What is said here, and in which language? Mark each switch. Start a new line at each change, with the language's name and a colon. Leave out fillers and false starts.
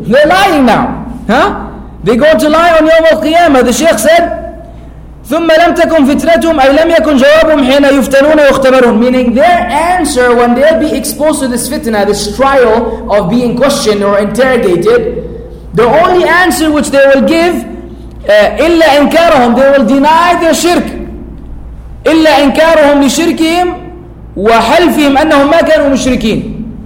English: They're lying now. Huh? They're going to lie on Yawm al-Qiyamah. The Shaykh said,
Arabic: ثُمَّ لَمْ تَكُمْ فِتْنَتُهُمْ أَيْ لَمْ يَكُنْ جَوَابُهُمْ حِينَ يُفْتَنُونَ وَيُخْتَمَرُونَ.
English: Meaning their answer when they'll be exposed to this fitna, this trial of being questioned or interrogated, the only answer which they will give,
Arabic: إِلَّا إِنْكَارَهُمْ,
English: they will deny their shirk.
Arabic: إِلَّا إِنْكَارَهُمْ لِشِرْكِهِمْ وَحَلْفِهِمْ أَنَّهُمْ مَا كَانُوا مُشْرِكِينَ.